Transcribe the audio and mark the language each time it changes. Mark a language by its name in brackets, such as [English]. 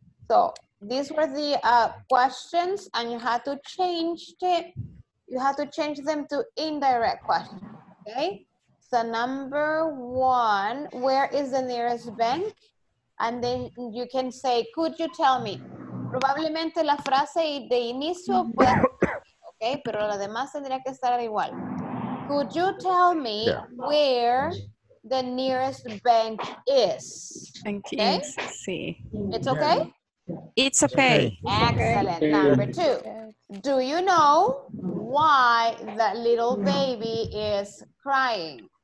[English] So these were the questions, and you had to change it. You had to change them to indirect questions, okay? So number one, where is the nearest bank? And then you can say, could you tell me? [Spanish] Probablemente la frase de inicio puede ser, okay? Pero la demás tendría que estar igual. [English] Could you tell me where the nearest bank is? Thank you. Okay? Sí. It's okay? It's okay. Excellent. Okay. Number two. Do you know why that little baby is crying?